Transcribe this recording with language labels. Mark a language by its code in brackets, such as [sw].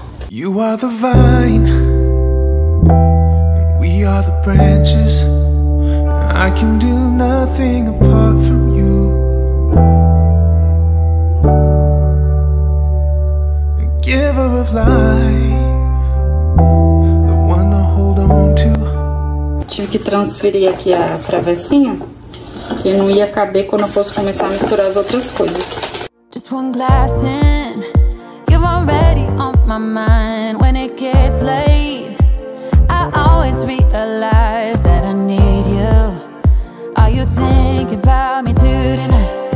[en] You are the vine, and we are the branches. I can do nothing apart from you. The giver of life, the one to hold on to. [pt] Tive que transferir aqui a travessinha, que não ia caber quando eu fosse começar a misturar as outras coisas. [en] Just one glass in, you're already on my mind. It's late, I always realize that I need you. Are you thinking about me too tonight?